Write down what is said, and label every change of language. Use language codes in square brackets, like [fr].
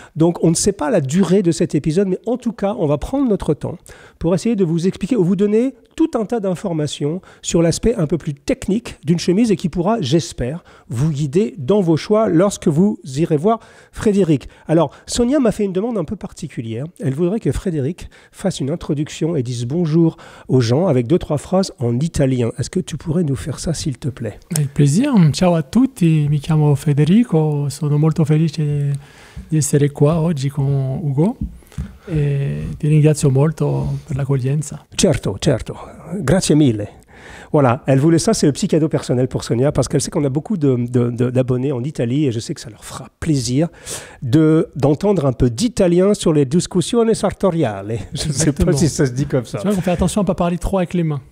[fr] Donc, on ne sait pas la durée de cet épisode, mais en tout cas, on va prendre notre temps pour essayer de vous expliquer ou vous donner tout un tas d'informations sur l'aspect un peu plus technique d'une chemise et qui pourra, j'espère, vous guider dans vos choix lorsque vous irez voir Frédéric. Alors, Sonia m'a fait une demande un peu particulière. Elle voudrait que Frédéric fasse une introduction et dise bonjour aux gens avec deux, trois phrases en italien. Est-ce que tu pourrais nous faire ça, s'il te plaît? Avec plaisir. [it] Ciao à tutti. Mi chiamo Federico. Sono molto felice di essere qua oggi con Ugo. E ti ringrazio molto per l'accoglienza. Certo, certo. Grazie mille. [fr] Voilà, elle voulait ça, c'est le petit cadeau personnel pour Sonia, parce qu'elle sait qu'on a beaucoup d'abonnés en Italie, et je sais que ça leur fera plaisir d'entendre un peu d'italien sur les [it] discussioni sartoriali. [fr] Je ne sais pas si ça se dit comme ça. Tu vois, on fait attention à ne pas parler trop avec les mains.